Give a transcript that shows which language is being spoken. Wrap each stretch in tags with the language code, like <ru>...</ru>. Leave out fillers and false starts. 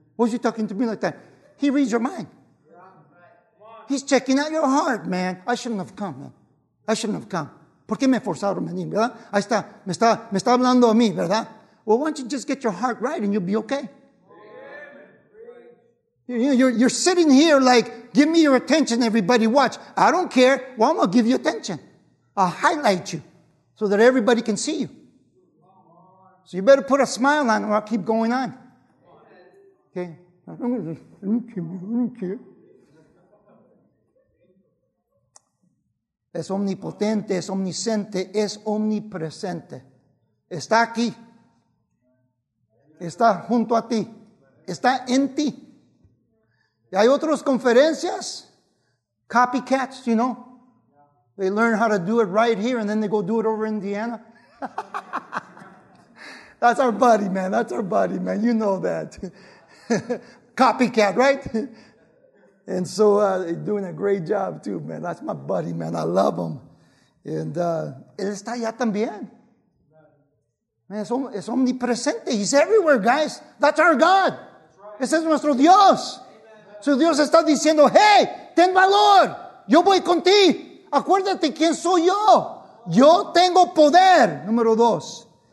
<en>Why is he talking to me like that? He reads your mind. He's checking out your heart, man. I shouldn't have come, man. I shouldn't have come.</en> <es>¿Por qué me forzaron a venir, verdad? Ahí está, me está hablando a mí, ¿verdad?</es> <en>Well, why don't you just get your heart right and you'll be okay? You're sitting here like, give me your attention, everybody, watch. I don't care. Well, I'm going to give you attention. I'll highlight you so that everybody can see you. So you better put a smile on or I'll keep going on. Okay? I don't care.</en> <es>Es omnipotente, es omnisciente, es omnipresente. Está aquí. Está junto a ti. Está en ti. Y hay otras conferencias,</es> <en>copycats, you know. They learn how to do it right here and then they go do it over in Indiana. That's our buddy, man. That's our buddy, man. You know that. Copycat, right? And so they're doing a great job too, man. That's my buddy, man. I love him.</en> <es>And él está allá también.</es> <en>Man,</en> <es>es omnipresente.</es> <en>He's everywhere, guys. That's our God.</en> <es>Ese es nuestro Dios. So Dios está diciendo, hey, ten valor, yo voy con ti. Acuérdate quién soy yo. Yo tengo poder. Número dos.</es>